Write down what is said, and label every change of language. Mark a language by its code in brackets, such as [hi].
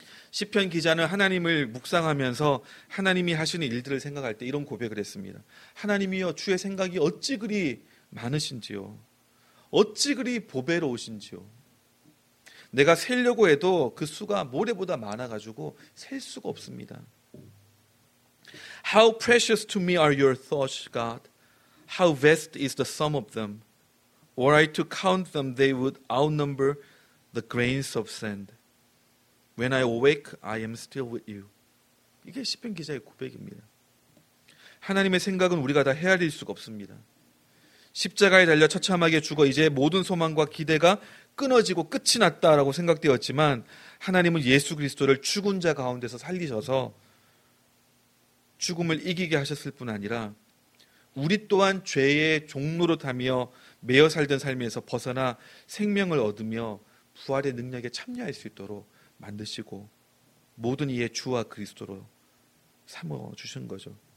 [ko] 시편 기자는 하나님을 묵상하면서 하나님이 하시는 일들을 생각할 때 이런 고백을 했습니다. 하나님이여, 주의 생각이 어찌 그리 많으신지요. 어찌 그리 보배로우신지요. 내가 세려고 해도 그 수가 모래보다 많아가지고 셀 수가 없습니다. [en] How precious to me are your thoughts, God. How vast is the sum of them. Were I to count them, they would outnumber the grains of sand. When I awake, I am still with you. [ko] 이게 시편 기자의 고백입니다. 하나님의 생각은 우리가 다 헤아릴 수가 없습니다. 십자가에 달려 처참하게 죽어 이제 모든 소망과 기대가 끊어지고 끝이 났다라고 생각되었지만 하나님은 예수 그리스도를 죽은 자 가운데서 살리셔서 죽음을 이기게 하셨을 뿐 아니라 우리 또한 죄의 종노릇하며 매여 살던 삶에서 벗어나 생명을 얻으며 부활의 능력에 참여할 수 있도록 만드시고 모든 이의 주와 그리스도로 삼아주신 거죠.